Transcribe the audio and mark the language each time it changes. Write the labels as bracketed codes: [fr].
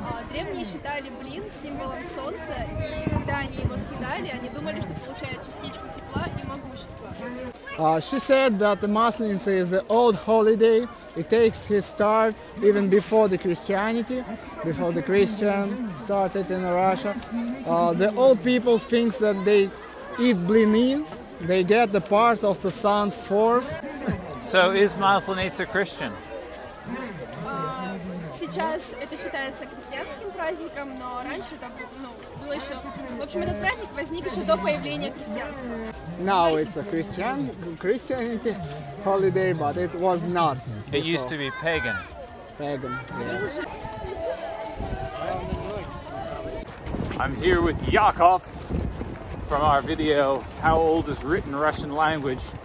[ru] Древние считали блин символом солнца, и когда они его съедали, они думали, что получают частичку тепла и могущества. [en] She said that the Maslenitsa is an old holiday. It takes his start even before the Christianity, before the Christian started in Russia. The old people think that they eat blini, they get the part of the sun's force. So is Maslenitsa Christian? [ru] Сейчас это считается христианским праздником, но раньше это было еще. В общем, этот праздник возник еще до появления христианства. [en] Now it's a Christianity holiday, but it was not. It used to be pagan. Pagan, yes. I'm here with Yakov from our video, How Old is Written Russian Language?